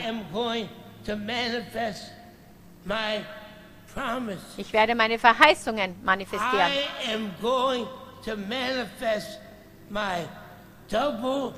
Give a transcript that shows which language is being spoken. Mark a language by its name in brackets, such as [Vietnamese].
[English] I am going to manifest my promises. [German] Ich werde meine Verheißungen manifestieren. [English] I am going to manifest my double